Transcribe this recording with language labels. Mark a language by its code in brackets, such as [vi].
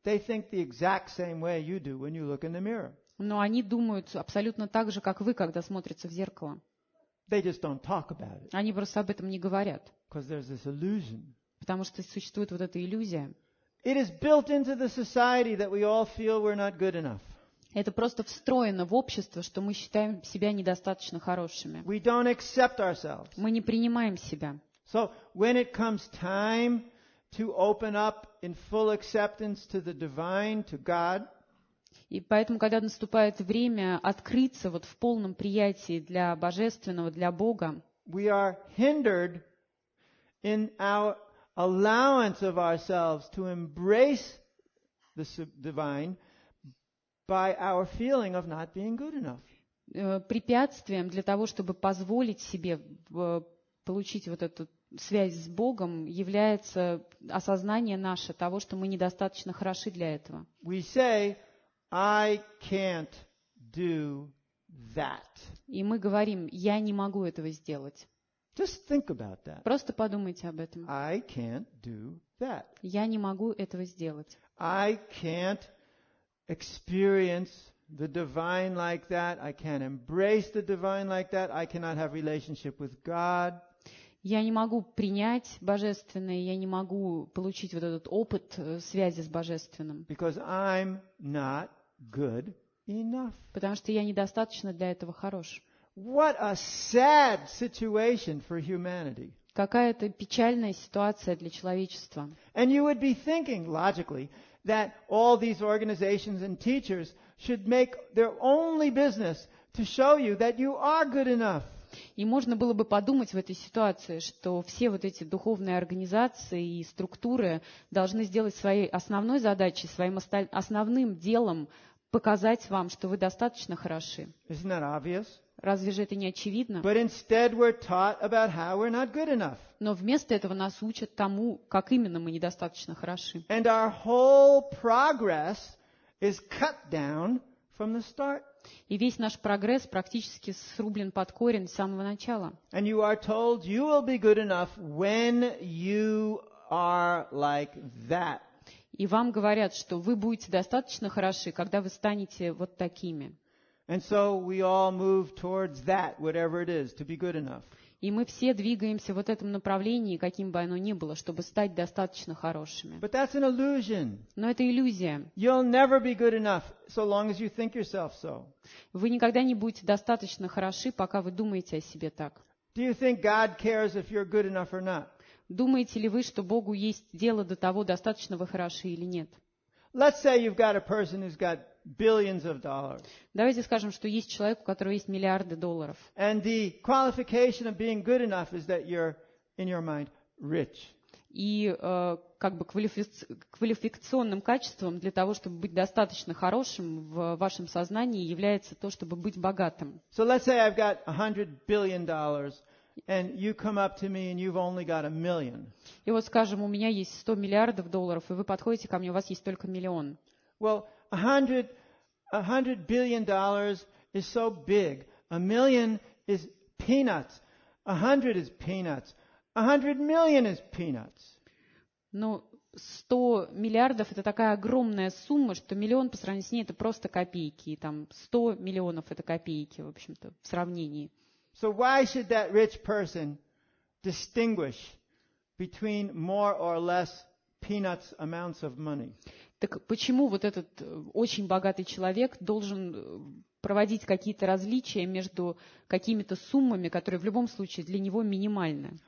[en] They think the exact same way you do when you look in the mirror. [ru] Но они думают абсолютно так же, как вы, когда смотрятся в зеркало. [en] They just don't talk about it. [ru] Они просто об этом не говорят. [en] Because there's this illusion. [ru] Потому что существует вот эта иллюзия. [en] It is built into the society that we all feel we're not good enough. [ru] Это просто встроено в общество, что мы считаем себя недостаточно хорошими. [en] We don't accept ourselves. [ru] Мы не принимаем себя. [en] So when it comes time to open up in full acceptance to the divine, to God, [ru] и поэтому, когда наступает время открыться вот в полном приятии для божественного, для Бога, [en] we are hindered in our allowance of ourselves to embrace the divine by our feeling of not being good enough. [ru] Препятствием для того, чтобы позволить себе получить вот этот связь с Богом является осознание наше того, что мы недостаточно хороши для этого. [en] We say, I can't do that. [ru] И мы говорим, я не могу этого сделать. [en] Just think about that. [ru] Просто подумайте об этом. [en] I can't do that. [ru] Я не могу этого сделать. [en] I can't experience the divine like that. I can't embrace the divine like that. I cannot have relationship with God. [ru] Я не могу принять Божественное, я не могу получить вот этот опыт связи с Божественным. [en] Because I'm not good enough. [ru] Потому что я недостаточно для этого хорош. [en] What a sad situation for humanity. [ru] Какая-то печальная ситуация для человечества. [en] And you would be thinking, logically, that all these organizations and teachers should make their only business to show you that you are good enough. [ru] И можно было бы подумать в этой ситуации, что все вот эти духовные организации и структуры должны сделать своей основной задачей, своим основным делом показать вам, что вы достаточно хороши. [en] Isn't that obvious? [ru] Разве же это не очевидно? [en] But instead we're taught about how we're not good enough. [ru] Но вместо этого нас учат тому, как именно мы недостаточно хороши. [en] And our whole progress is cut down from the start. [ru] И весь наш прогресс практически срублен под корень с самого начала. [en] And you are told you will be good enough when you are like that. [ru] И вам говорят, что вы будете достаточно хороши, когда вы станете вот такими. [en] And so we all move towards that, whatever it is, to be good enough. [ru] И мы все двигаемся в вот этом направлении, каким бы оно ни было, чтобы стать достаточно хорошими. [en] But that's an illusion. [ru] Но это иллюзия. [en] You'll never be good enough, so long as you think yourself so. [ru] Вы никогда не будете достаточно хороши, пока вы думаете о себе так. [en] Do you think God cares if you're good enough or not? [ru] Думаете ли вы, что Богу есть дело до того, достаточно вы хороши или нет? [en] Let's say you've got a person who's got billions of dollars. [ru] Давайте скажем, что есть человек, у которого есть миллиарды долларов. [en] And the qualification of being good enough is that you're, in your mind, rich. [ru] И как бы квалификационным качеством для того, чтобы быть достаточно хорошим в вашем сознании, является то, чтобы быть богатым. [en] So let's say I've got $100 billion. And you come up to me and you've only got a million. [ru] И вот скажем, у меня есть 100 миллиардов долларов, и вы подходите ко мне, у вас есть только миллион. [en] Well, $100 billion is so big. A million is peanuts. 100 is peanuts. 100 million is peanuts. [ru] Ну, 100 миллиардов это такая огромная сумма, что миллион по сравнению с ней это просто копейки. И там 100 миллионов это копейки, в общем-то, в сравнении. [en] So why should that rich person distinguish between more or less peanuts amounts of money? [ru] Так почему вот этот очень богатый человек должен проводить какие-то различия между какими-то суммами, которые в любом случае для него минимальны?